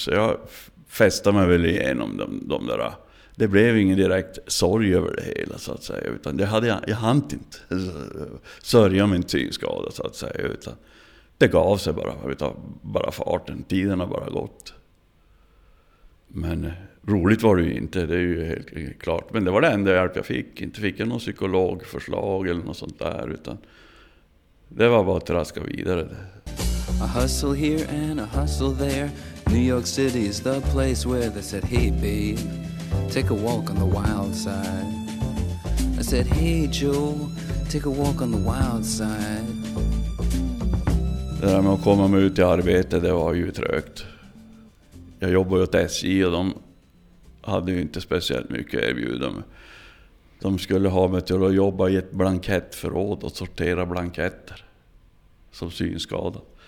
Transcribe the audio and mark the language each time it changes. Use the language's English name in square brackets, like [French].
[Swedish] Så jag festade mig väl igenom de där. Det blev ingen direkt sorg över det hela, så att säga, utan det hade jag hann inte sörja min synskada, så att säga, utan det gav sig bara farten, tiden har bara gått. Men roligt var det ju inte, det är ju helt klart. Men det var det enda hjälp jag fick. Inte fick jag någon psykologförslag eller något sånt där, utan det var bara att traska vidare. [English] A hustle here and a hustle there. New York City is the place where they said, hey babe, take a walk on the wild side. I said, hey Joe, take a walk on the wild side. [Swedish] Det där med att komma mig ut i arbete, det var ju trögt. Jag jobbar ju åt SJ och de hade ju inte speciellt mycket att erbjuda mig. De skulle ha mig till att jobba i ett blankettförråd och sortera blanketter som synskadad.